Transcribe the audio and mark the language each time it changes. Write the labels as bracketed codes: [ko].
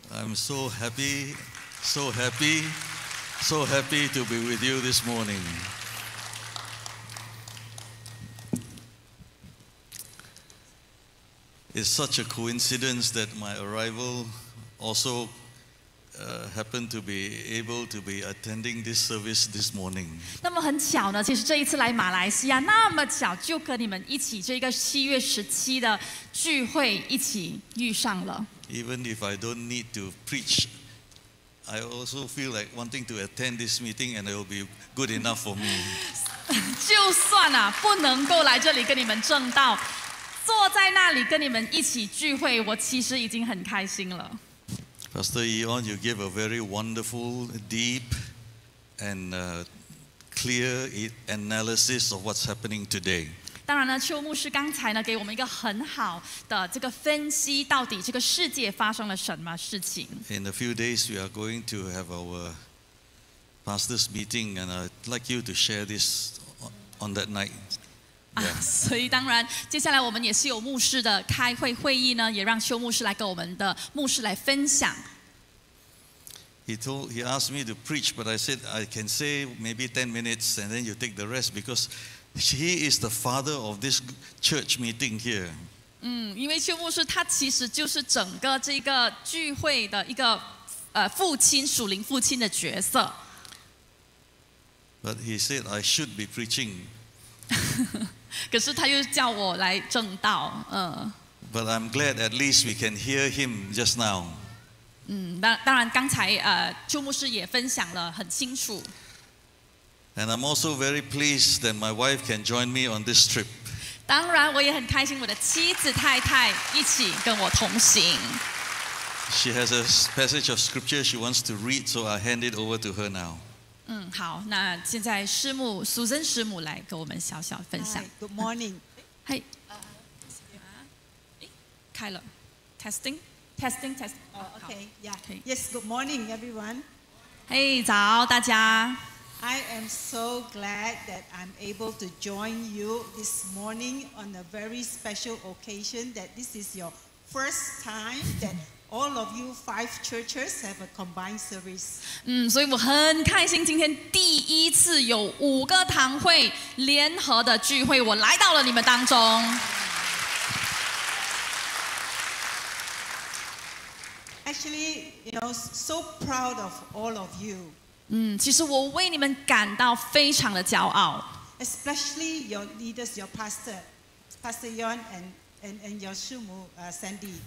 [en] I'm so happy, so happy, so happy to be with you this morning. It's such a coincidence that my arrival also happened to be able to be attending this service this morning. [zh] 那么很巧呢，其实这一次来马来西亚，那么巧就跟你们一起这个七月十七的聚会一起遇上了。 [en] Even if I don't need to preach, I also feel like wanting to attend this meeting, and it will be good enough for me. [zh] 就算啊，不能够来这里跟你们证道，坐在那里跟你们一起聚会，我其实已经很开心了。 [en] Pastor Yeon, you gave a very wonderful, deep, and clear analysis of what's happening today. [zh] 当然呢，邱牧师刚才呢给我们一个很好的这个分析，到底这个世界发生了什么事情。 [en] In a few days, we are going to have our pastors' meeting, and I'd like you to share this on that night. Yeah. [zh] 所以当然，接下来我们也是有牧师的开会会议呢，也让邱牧师来跟我们的牧师来分享。 [en] He asked me to preach, but I said I can say maybe 10 minutes, and then you take the rest because. He is the father of this church meeting here. [zh] 因为邱牧师他其实就是整个这个聚会的一个父亲，属灵父亲的角色。 [en] But he said I should be preaching. [zh] 可是他又叫我来证道。 [en] But I'm glad at least we can hear him just now. [zh] 当然刚才邱牧师也分享了很清楚。 [en] And I'm also very pleased that my wife can join me on this trip. [zh] 当然，我也很开心，我的妻子太太一起跟我同行。 [en] She has a passage of scripture she wants to read, so I hand it over to her now. [zh] 好，那现在师母苏珍师母来跟我们小小分享。 [en] Hi, good morning. Hi. [zh] 开了 ， [en] testing. Okay. Yeah. Okay. Yes. Good morning, everyone. [zh] Hey, 早大家。 [en] I am so glad that I'm able to join you this morning on a very special occasion that this is your first time that all of you five churches have a combined service. [zh] 所以我很开心今天第一次有五个堂会联合的聚会，我来到了你们当中。 [en] Actually, you know, so proud of all of you. [zh] 其实我为你们感到非常的骄傲。 [en] Especially your leaders, your pastor, Pastor Yeon and your 师母Sandy.